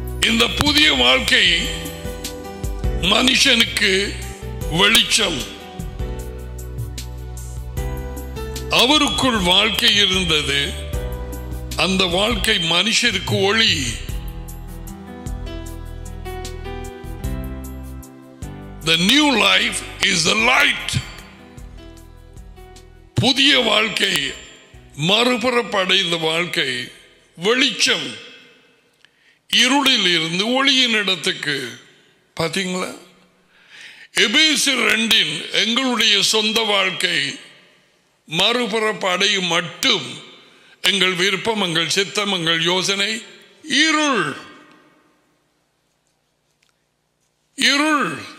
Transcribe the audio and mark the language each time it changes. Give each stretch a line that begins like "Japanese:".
Tamil: இந்த புதிய வாழ்க்கை மனுஷனுக்கு வெளிச்சம், அவருக்குள் வாழ்க்கை இருந்தது, அந்த வாழ்க்கை மனுஷருக்கு ஒளி.
English: The new life is the light.
Tamil: புதிய வாழ்க்கை, மறுபிறப்படைந்த வாழ்க்கை வெளிச்சம், இருளில் இருந்து ஒளியின் இடத்துக்கு. பாத்தீங்களா, எபேசியர் 2 எங்களுடைய சொந்த வாழ்க்கை மறுபிறப்படை மட்டும், எங்கள் விருப்பம், எங்கள் சித்தம், எங்கள் யோசனை இருள், இருள்.